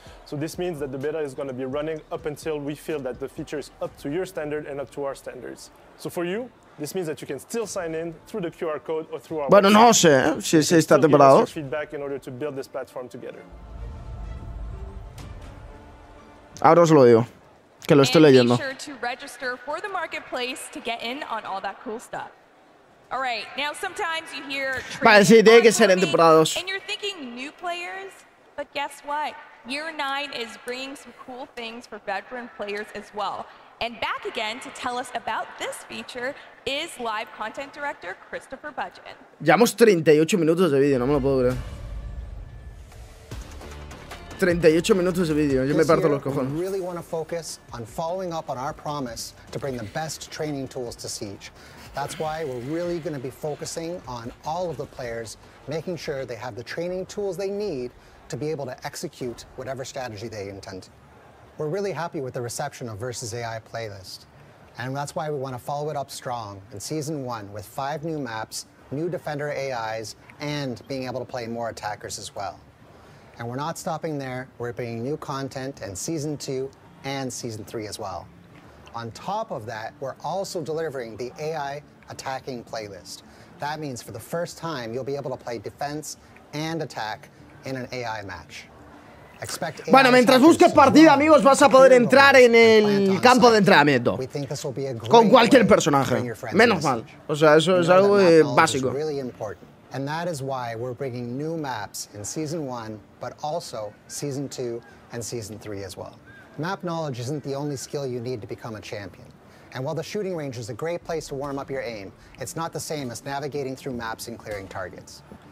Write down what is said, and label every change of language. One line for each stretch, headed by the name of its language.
English: So this means that the beta is going to be running up until we feel that the feature is up to your standard and up to our standards. So for you, this means that you can still sign in through the QR code or through our website.
Spanish: Bueno, no sé, si se está preparado.
English: Feedback in order to build this platform together.
Spanish: Ahora os lo digo, que lo estoy leyendo.
English: And be sure to register for the marketplace to get in on all that cool stuff. All right, now sometimes you hear trades
Spanish: vale, sí,
English: are coming, and you're thinking new players, but guess what? Year 9 is bringing some cool things for veteran players as well. And back again to tell us about this feature is live content director Christopher Budgen.
Spanish: Llevamos 38 minutos de vídeo, no me lo puedo creer. 38 minutos de vídeo, yo me parto los cojones.
English: We really want to focus on following up on our promise to bring the best training tools to Siege. That's why we're really going to be focusing on all of the players, making sure they have the training tools they need to be able to execute whatever strategy they intend. We're really happy with the reception of Versus AI playlist, and that's why we want to follow it up strong in season 1 with 5 new maps, new defender AIs, and being able to play more attackers as well. And we're not stopping there, we're bringing new content in season 2 and season 3 as well. On top of that, we're also delivering the AI attacking playlist. That means for the first time, you'll be able to play defense and attack in an AI match. Expect AI
Spanish: bueno, mientras buscas partida, amigos, vas a poder entrar en el campo de entrenamiento con cualquier personaje. Menos mal. O sea, eso es algo básico.
English: Really important. And that is why we're bringing new maps in season 1, but also season 2 and season 3 as well. Map knowledge isn't the only skill you need to become a champion. And while the shooting range is a great place to warm up your aim, it's not the same as navigating through maps and clearing targets.